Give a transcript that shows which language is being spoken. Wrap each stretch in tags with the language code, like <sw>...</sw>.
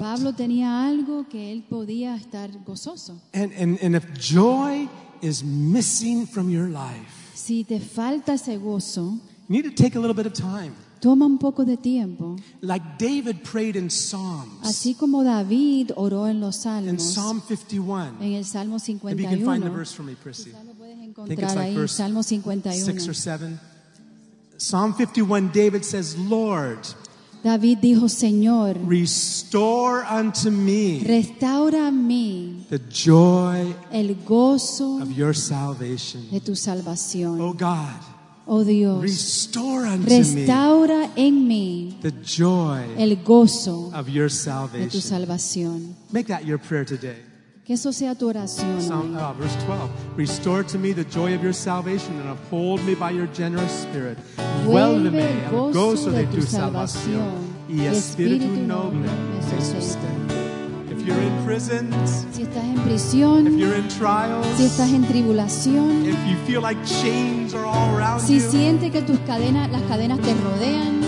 <es>Pablo tenía algo que él podía estar gozoso.</es> <en>And if joy is missing from your life,</en> <es>si te falta ese gozo,</es> <en>you need to take a little bit of time.</en> <es>Toma un poco de tiempo.</es> <en>Like David prayed in Psalms.</en> <es>Así como David oró en los Salmos.</es> <en>In Psalm 51.</en> <es>En el Salmo 51.</es> <en>Maybe you can find the verse for me, Prissy.</en> <es>Salmo 51.</es> <en>6 or 7. Psalm 51, David says, Lord,</en> <es>David dijo, Señor,</es> <en>restore unto me,</en> <es>restaura a mí,</es> <en>the joy,</en> <es>el gozo,</es> <en>of your salvation,</en> <es>de tu salvación.</es> <en>Oh God,</en> <es>oh Dios,</es> <en>restore unto me,</en> <es>restaura en mí,</es> <en>the joy,</en> <es>el gozo,</es> <en>of your salvation,</en> <es>de tu salvación.</es> <en>Make that your prayer today.</en> <es>Que eso sea tu oración.</es> <en>Verse 12. Restore to me the joy of your salvation and uphold me by your generous spirit.</en> <es>Vuélveme el gozo de tu salvación y espíritu noble me sostén.</es> <en>If you're in prison,</en> <es>si estás en prisión,</es> <en>if you're in trials,</en> <es>si estás en tribulación,</es> <en>if you feel like chains are all around</en> <es>si</es> <en>you,</en> <es>siente que tus cadenas, las cadenas te rodean,</es>